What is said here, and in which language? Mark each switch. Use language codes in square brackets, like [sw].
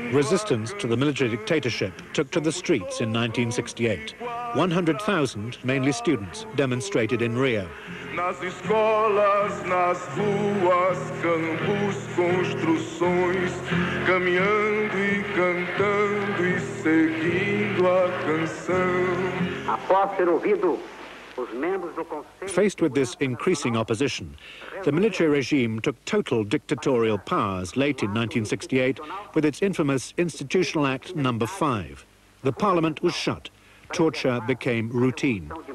[en] Resistance to the military dictatorship took to the streets in 1968. 100,000, mainly students, demonstrated in Rio. [pt] Nas escolas, nas ruas, campos, construções, caminhando e cantando e seguindo a canção. Após ter ouvido os membros do conselho. [en] Faced with this increasing opposition, the military regime took total dictatorial powers late in 1968 with its infamous Institutional Act No. 5. The parliament was shut. torture became routine.